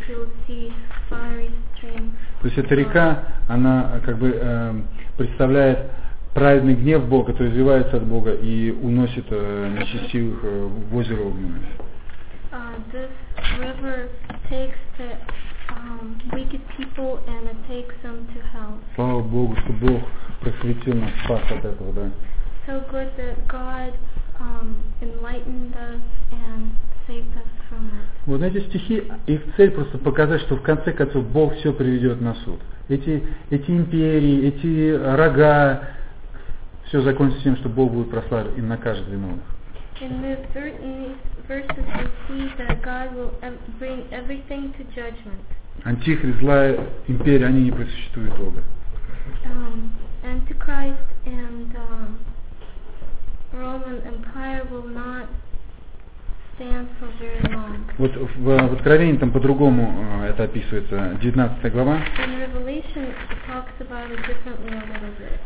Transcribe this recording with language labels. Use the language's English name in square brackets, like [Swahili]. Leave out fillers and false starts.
[English] He will see fiery stream. [Russian] То есть эта река, она как бы представляет праведный гнев Бога, который извивается от Бога и уносит нечестивых в озеро огненное. [English] This river takes the wicked people and it takes them to hell. [Russian] Слава Богу, что Бог просветил нас, спас от этого, да? [English] So good that God enlightened us and saved us from it. [Russian] Вот эти стихи, их цель просто показать, что в конце концов Бог все приведет на суд. Эти империи, эти рога, все закончится тем, что Бог будет прославлен и накажет виновных. [English] In these verses we see that God will bring everything to judgment. [Russian] Антихрист, злая империя, они не просуществуют долго. [English] Antichrist and Roman Empire will not stand for very long. [Russian] Вот в Откровении там по-другому это описывается. 19 глава. [English] In Revelation it talks about it differently a little bit.